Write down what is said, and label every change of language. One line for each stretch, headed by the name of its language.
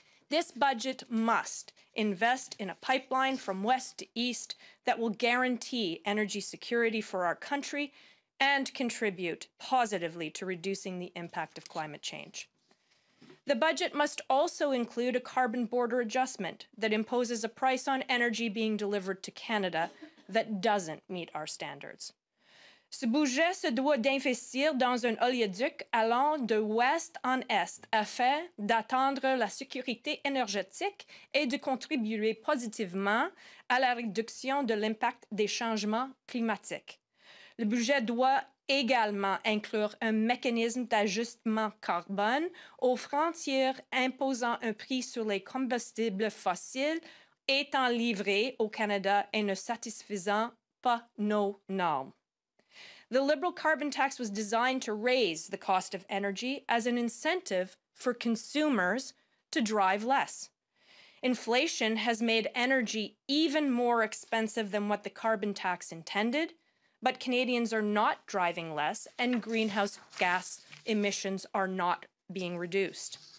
English: This budget must invest in a pipeline from west to east that will guarantee energy security for our country and contribute positively to reducing the impact of climate change. The budget must also include a carbon border adjustment that imposes a price on energy being delivered to Canada that doesn't meet our standards.
French: Ce budget se doit d'investir dans un oléoduc allant de ouest en est afin d'atteindre la sécurité énergétique et de contribuer positivement à la réduction de l'impact des changements climatiques. Le budget doit également inclure un mécanisme d'ajustement carbone aux frontières imposant un prix sur les combustibles fossiles étant livrés au Canada et ne satisfaisant pas nos normes.
English: The Liberal carbon tax was designed to raise the cost of energy as an incentive for consumers to drive less. Inflation has made energy even more expensive than what the carbon tax intended, but Canadians are not driving less and greenhouse gas emissions are not being reduced.